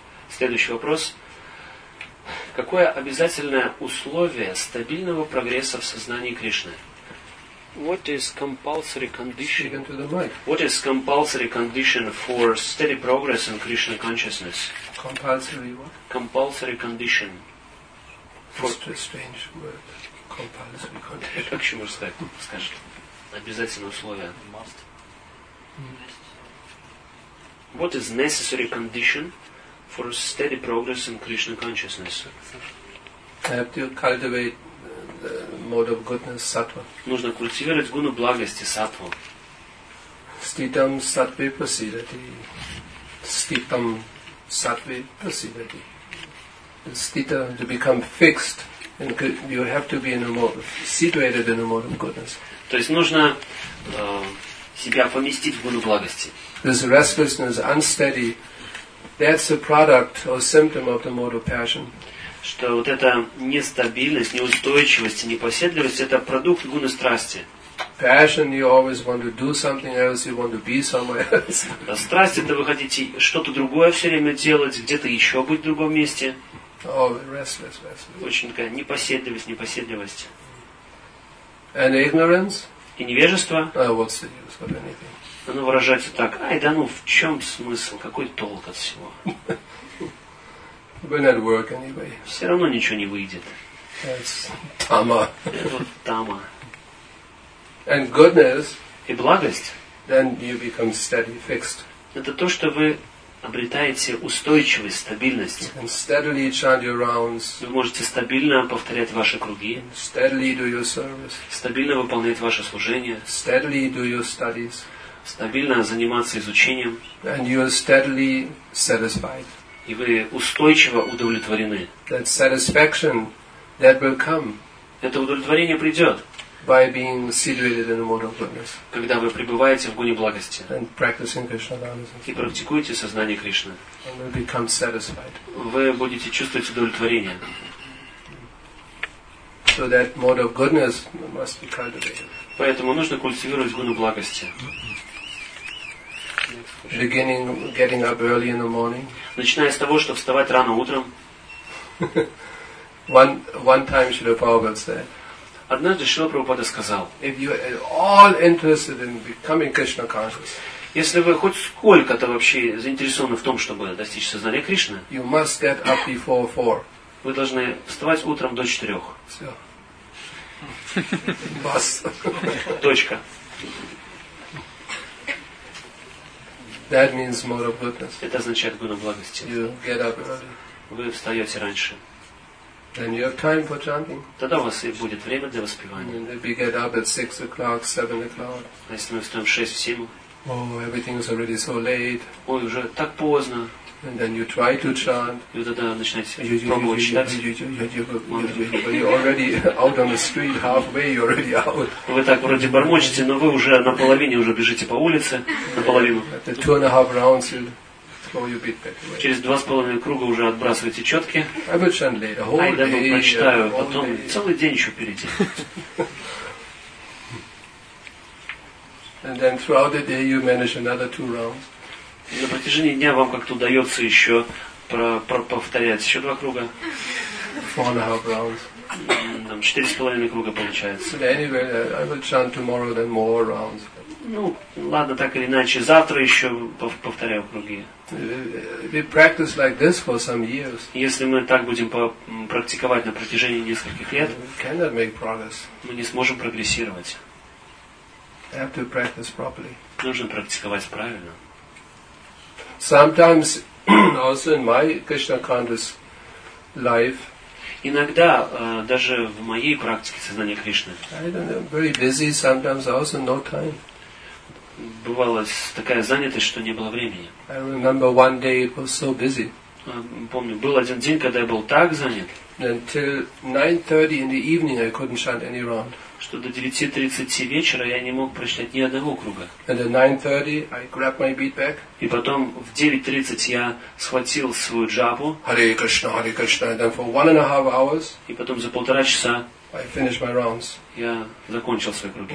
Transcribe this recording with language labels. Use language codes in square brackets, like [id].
[ru] Следующий вопрос. Какое обязательное условие стабильного прогресса в сознании Кришны? [en] What is compulsory condition? Speaking to the mic. What is compulsory condition for steady progress in Krishna consciousness? Compulsory what? Compulsory condition. That's a strange word. Compulsory condition. [ru] Как еще можно сказать? Скажет. Обязательное условие. [en] Must. What is necessary condition for a steady progress in Krishna consciousness? I have to cultivate the mode of goodness, sattva. [ru] Нужно культивировать гуну благости, саттву. [sa] Ститам саттве пасидати. Ститам саттве пасидати. [en] Ститам, to become fixed, and you have to be in a mode, situated in a mode of goodness. [ru] То есть нужно себя поместить в гуну благости. [en] This restlessness, unsteady, that's a product or symptom of the mode of passion. [ru] Что вот эта нестабильность, неустойчивость, непоседливость – это продукт гуны страсти. [en] Passion, you always want to do something else, you want to be somewhere else. [ru] Страсть – это вы хотите что-то другое все время делать, где-то еще быть в другом месте. [en] Oh, restless, restless. [ru] Очень такая непоседливость, непоседливость. [en] And ignorance? [ru] И невежество. [en] What's the use of anything? [ru] Оно выражается так: ай да ну, в чем смысл, какой толк от всего? [en] We're not work anyway. [ru] Все равно ничего не выйдет. [en] That's tama. [ru] Это вот тама. [en] And goodness. [ru] И благость. [en] Then you become steady, fixed. [ru] Это то, что вы обретаете устойчивость, стабильность. [en] And steadily chant your rounds. [ru] Вы можете стабильно повторять ваши круги. [en] Steadily do your service. [ru] Стабильно выполнять ваше служение. [en] Steadily do your studies. [ru] Стабильно заниматься изучением. [en] And you are steadily satisfied. [ru] И вы устойчиво удовлетворены. [en] That satisfaction, that will come. [ru] Это удовлетворение придет. [en] By being situated in the mode of goodness. [ru] Когда вы пребываете в гуне благости. [en] And practicing Krishna consciousness. [ru] И практикуете сознание Кришны. [en] And you become satisfied. [ru] Вы будете чувствовать удовлетворение. [en] So that mode of goodness must be cultivated. [ru] Поэтому нужно культивировать гуну благости. [en] Beginning getting up early in the morning. [ru] Начиная с того, что вставать рано утром. [en] One time Шрила Прабхупада said. [ru] Однажды Шрила Прабхупада сказал. [en] If you are all interested in becoming Krishna conscious. [ru] Если вы хоть сколько-то вообще заинтересованы в том, чтобы достичь сознания Кришны. [en] You must get up before 4. [ru] Вы должны вставать утром до 4. Все. Бас. Точка. [en] That means more of goodness. [ru] Это означает гуна благости. [en] You get up early. [ru] Вы встаете раньше. [en] Then you have time for chanting. [ru] Тогда у вас и будет время для воспевания. [en] And if you get up at 6 o'clock, 7 o'clock. [ru] А если мы встаем в 6-7? [en] Oh, everything is already so late. [ru] Ой, уже так поздно. [en] And then you try to chant. [ru] И вот тогда начинаете пробовать читать. [en] You're already out on the street, halfway, you're already out. [ru] Вы так вроде бормочете, но вы уже наполовину уже бежите по улице, наполовину. [en] After 2.5 rounds, you throw your beat back away. [ru] Через 2.5 круга уже отбрасываете четки. [en] I will chant later, whole day. [ru] Ай, да, прочитаю, потом целый день еще впереди. [en] And then throughout the day, you manage another 2 rounds. [ru] На протяжении дня вам как-то удается еще повторять еще 2 круга. [en] 4.5 rounds. [ru] Там 4.5 круга получается. [en] But anyway, I will chant tomorrow then more rounds. [ru] Ну, ладно, так или иначе, завтра еще повторяю круги. [en] We practice like this for some years. [ru] Если мы так будем практиковать на протяжении нескольких лет, [en] we cannot make progress. [ru] Мы не сможем прогрессировать. [en] Have to practice properly. [ru] Нужно практиковать правильно. [en] Sometimes also in my Krishna conscious life. [ru] Иногда даже в моей практике сознания Кришны. [en] I don't know, very busy sometimes also no time. [ru] Бывала такая занятость, что не было времени. [en] I remember one day it was so busy. [ru] Помню, был один день, когда я был так занят. [en] Until 9:30 in the evening I couldn't chant any round. [ru] Что до 9:30 вечера я не мог прочитать ни одного круга. [en] And at 9:30 I grabbed my beat back. [ru] И потом в 9:30 я схватил свою джапу. [en] Hare Krishna, Hare Krishna. And then for 1.5 hours. [ru] И потом за 1.5 часа. [en] I finished my rounds. [ru] Я закончил свои круги.